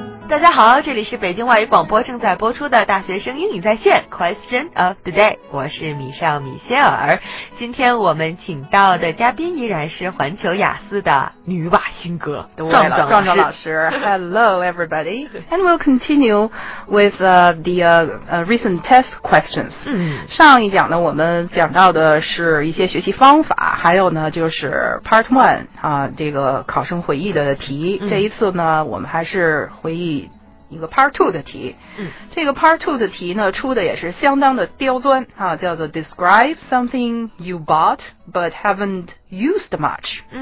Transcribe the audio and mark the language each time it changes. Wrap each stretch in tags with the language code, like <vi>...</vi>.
<zh>大家好，这里是北京外语广播正在播出的大学生英语在线 Question of the Day， 我是米少米歇尔。今天我们请到的嘉宾依然是环球雅思的女瓦辛格，壮壮壮壮老师。</zh> <en>Hello everybody, and we'll continue with recent test questions.</en> <zh>上一讲呢，我们讲到的是一些学习方法，还有呢就是 Part One 啊，这个考生回忆的题。这一次呢，我们还是回忆一个 part two 的题，这个 part two 的题呢出的也是相当的刁钻啊，叫做</zh> <en>describe something you bought but haven't used much。</en>